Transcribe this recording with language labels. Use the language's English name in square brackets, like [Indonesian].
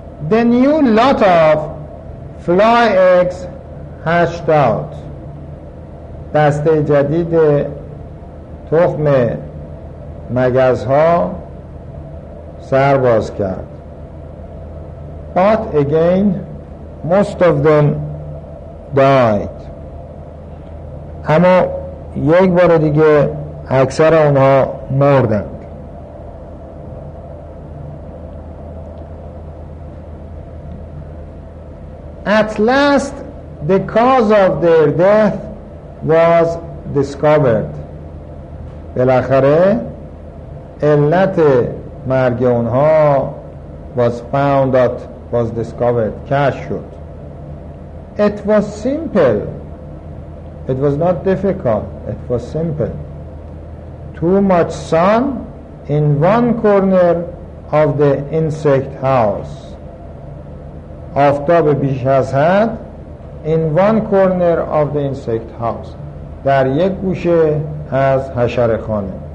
[English] The new lot of fly eggs hatched out. [Persian] دسته جدید تخم مگز ها سر باز کرد. [English] But again, most of them died. [Persian] اما یک بار دیگه اکثر اونها مردن. [English] At last, the cause of their death was discovered. [Persian] بالاخره علت مرگ اونها [English] was found out, was discovered, [Persian] کشف شد. [English] It was simple. It was not difficult. It was simple. Too much sun in one corner of the insect house. [Persian] آفتاب بیش از حد [English] in one corner of the insect house, [Persian] در یک گوشه از حشره خانه.